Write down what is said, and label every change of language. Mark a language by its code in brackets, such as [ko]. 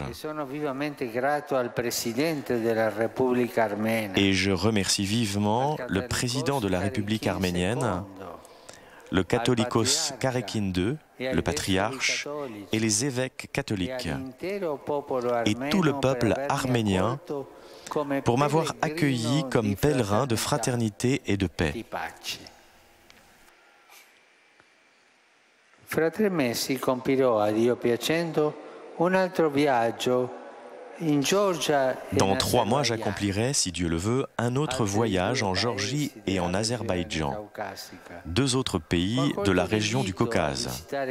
[fr] Et je remercie vivement le président de la République arménienne, le catholicos Karekin II, le patriarche, et les évêques catholiques, et tout le peuple arménien pour m'avoir accueilli comme pèlerin de fraternité et de paix. [it] Fra tre mesi compirò, a Dio piacendo, un altro viaggio in Georgia. [fr] Dans trois mois, j'accomplirai, si Dieu le veut, un autre voyage en Géorgie et en Azerbaïdjan, deux autres pays de la région du Caucase.